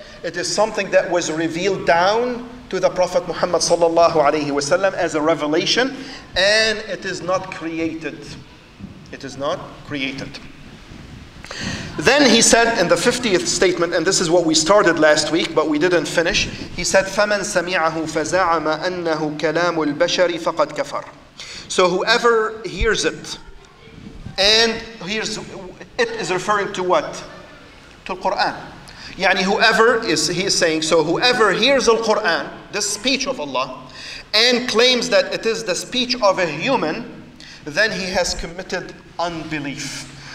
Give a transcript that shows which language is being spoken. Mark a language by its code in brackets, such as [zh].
[en] It is something that was revealed down to the Prophet Muhammad sallallahu alayhi wa sallam as a revelation, and it is not created. It is not created. Then he said in the 50th statement, and this is what we started last week, but we didn't finish. He said, [ar] فَمَنْ سَمِعَهُ فَزَعَمَ أَنَّهُ كَلَامُ الْبَشَرِ فَقَدْ كَفَرْ. [en] So whoever hears it, and hears it is referring to what? To the Quran. Yani whoever is, he is saying, so whoever hears al-Quran, the speech of Allah, and claims that it is the speech of a human, then he has committed unbelief.